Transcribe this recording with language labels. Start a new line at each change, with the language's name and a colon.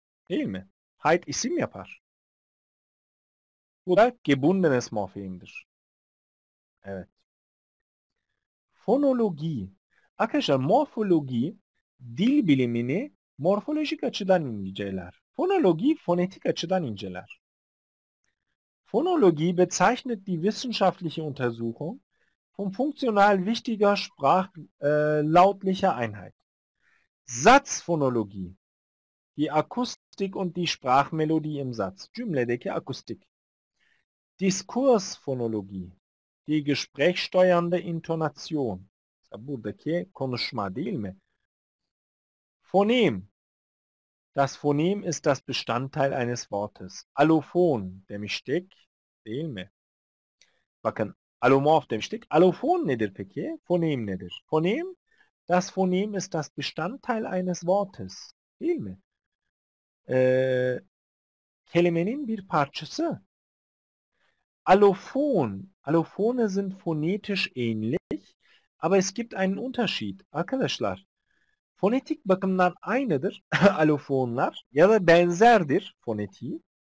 Turkish: Değil mi? Height isim yapar. Bu da gebundenes morfemdir. Evet. Fonoloji. Arkadaşlar morfoloji dil bilimini morfolojik açıdan inceler. Fonoloji fonetik açıdan inceler.
German: Phonologie bezeichnet die wissenschaftliche Untersuchung vom funktional wichtiger sprachlautlicher Einheit. Satzphonologie, die Akustik und die Sprachmelodie im Satz,
Turkish: cümledeki akustik.
German: Diskursphonologie, die gesprächsteuernde Intonation,
Turkish: buradaki konuşma değil mi?
German: Phonem, das Phonem ist das Bestandteil eines Wortes.
Turkish: Allophon demiştik. Değil mi? Bakın, alomorf demiştik. Alofon nedir peki? Fonem nedir?
German: Fonem, das Phonem ist das Bestandteil eines Wortes.
Turkish: Değil mi? Kelimenin bir parçası. Alofon.
German: Alofone sind phonetisch ähnlich. Aber es gibt einen Unterschied.
Turkish: Arkadaşlar, fonetik bakımdan aynıdır alofonlar ya da benzerdir fonetiği.